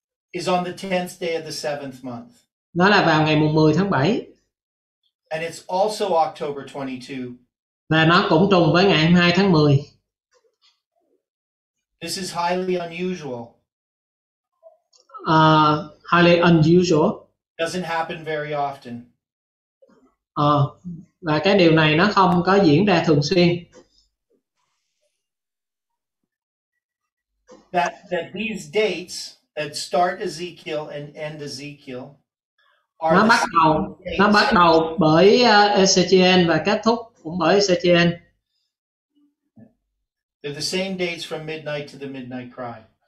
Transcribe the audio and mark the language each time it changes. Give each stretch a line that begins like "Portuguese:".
English: Is on the 10th day of the 7th month.
Vietnamese: Nó là vào ngày mùng 10 tháng 7.
English: And it's also October 22.
Vietnamese: Và nó cũng trùng với ngày 22 tháng 10.
English: This is highly unusual. Highly unusual. Doesn't happen very often.
Vietnamese: Và cái điều này nó không có diễn ra thường xuyên.
English: That these dates that start Ezekiel and end Ezekiel
Vietnamese: are nó bắt đầu bởi Ezekiel và kết thúc cũng bởi Ezekiel.
English: They're the same dates from midnight to the midnight cry.